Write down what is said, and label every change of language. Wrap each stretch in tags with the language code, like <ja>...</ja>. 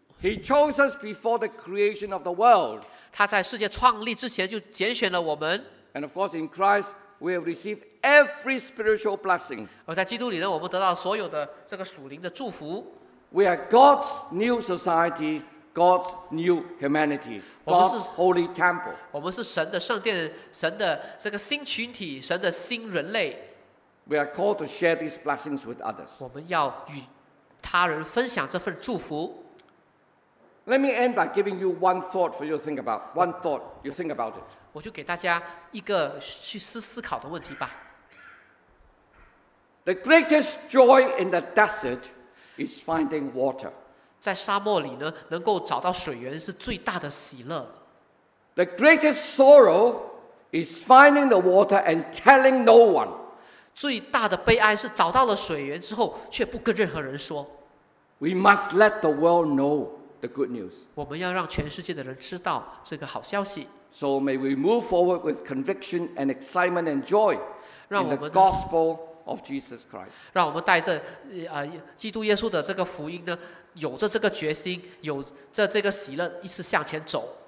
<en>He chose us before the creation of the world.</en> <zh>他在世界创立之前就拣选了我们。</zh> <en>And of course, in Christ, we have received every spiritual blessing.</en> <zh>而在基督里呢，我们得到所有的这个属灵的祝福。</zh> <en>We are God's new society. God's new humanity, God's holy temple.</en> <zh>我们是神的圣殿，神的这个新群体，神的新人类。</zh> <en>We are called to share these blessings with others.</en> <zh>我们要与他人分享这份祝福。</zh> <en>Let me end by giving you one thought for you to think about. One thought, you think about it.</en> <zh>我就给大家一个去思考的问题吧。</zh> <en>The greatest joy in the desert is finding water.</en> <zh>在沙漠里呢，能够找到水源是最大的喜乐。</zh> <en>The greatest sorrow is finding the water and telling no one.</en> <zh>最大的悲哀是找到了水源之后，却不跟任何人说。</zh> <en>We must let the world know the good news.</en> <zh>我们要让全世界的人知道这个好消息。</zh> <en>So may we move forward with conviction and excitement and joy in the gospel of Jesus Christ.</en> <zh>让我们带着基督耶稣的这个福音呢，有着这个决心，有着这个喜乐，一直向前走。</zh>